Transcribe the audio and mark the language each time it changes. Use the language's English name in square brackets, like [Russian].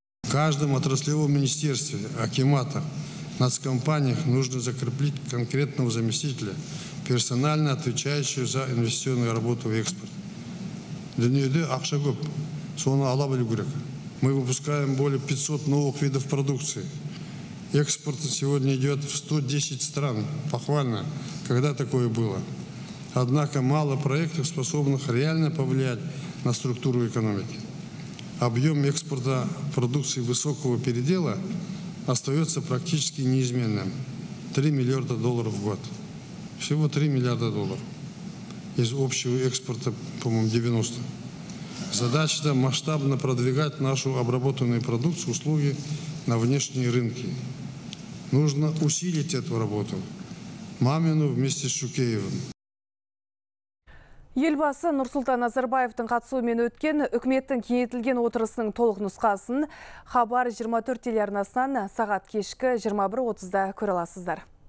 [Russian] Каждом отраслевом министерстве, акиматах, нацкомпаниях нужно закреплить конкретного заместителя, персонально отвечающего за инвестиционную работу в экспорт. [Kazakh] Дүниеде ақша көп, соны ала білу керек. [Russian] Мы выпускаем более 500 новых видов продукции. Экспорт сегодня идет в 110 стран. Похвально, когда такое было. Однако мало проектов, способных реально повлиять на структуру экономики. Объем экспорта продукции высокого передела остается практически неизменным. 3 миллиарда долларов в год. Всего 3 миллиарда долларов. Из общего экспорта, по-моему, 90. Задача масштабно продвигать нашу обработанную продукцию, услуги на внешние рынки. Нужно усилить эту работу. Мамину вместе с Шукеевым. [Kazakh] Елбасы Нұрсұлтан Назарбаевтың қатысуымен өткен үкіметтің кеңейтілген отырысының толық нұсқасын Хабар 24 телеарнасынан сағат кешкі 21:30-да көре аласыздар.